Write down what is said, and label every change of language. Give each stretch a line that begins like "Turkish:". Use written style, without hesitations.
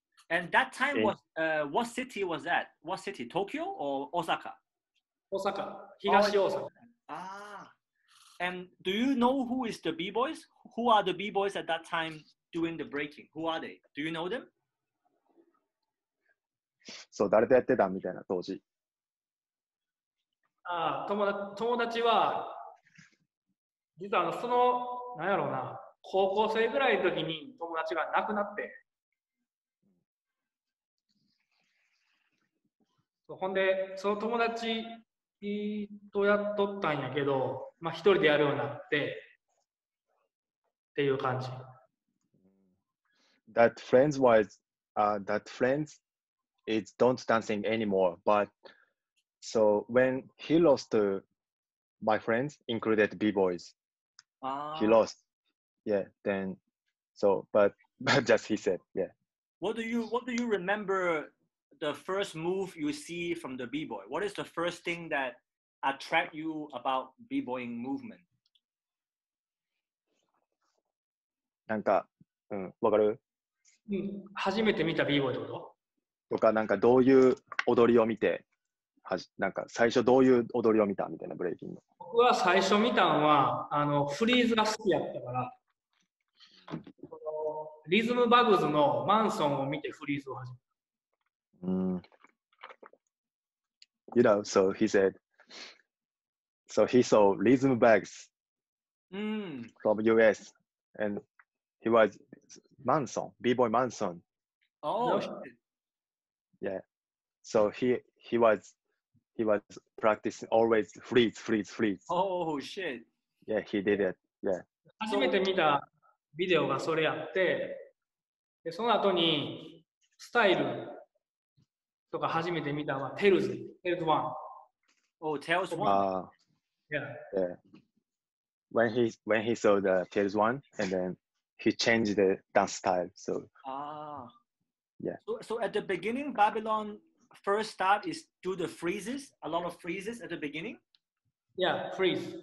English: And that time was, what city was that? What city, Tokyo or Osaka? Osaka, Higashi Osaka. Ah. And do you know who is the B-Boys? Who are the B-Boys at that time doing the breaking? Who are they? Do you know them?
Japanese: So, 誰とやってたみたいな、当時。友達は、実はその、何やろうな。高校生ぐらいの時に友達が亡くなって、そう、ほんでその友達とやっとったんやけど、まあ一人でやるようになってっていう感じ。
English: That friends was, that friends is don't dancing anymore. But so when he lost my friends, included B-boys, he lost. Yeah, then, so, but just he said, yeah. What do you remember the first move you see from the B-boy? What is the first thing that attract you about B-boying movement?
Japanese: なんか、うん、わかる？うん、初めて見た B-boy ってこと？とか、なんかどういう踊りを見て、なんか最初どういう踊りを見たみたいなブレイキング。僕は最初見たのは、フリーズが好きやったから、リズムバグズのマンソンを見てフリーズを始めた。
English: You know, so he said, so he saw Rhythm Bags from US, and he was Manson, B-boy Manson. Oh, shit. Yeah. So he was practicing always freeze. Oh, shit. Yeah, he did it. Yeah.
Japanese: 初めて見た。ビデオがそれやって、でその後にスタイルとか初めて見たのはテルズ、テルズワン。お、テルズワン。
English: Yeah. When he saw the Tales One, and then he changed the dance style. So. Yeah. So at the beginning, Babylon first start is do the freezes, a lot of freezes at the beginning. Yeah, freeze.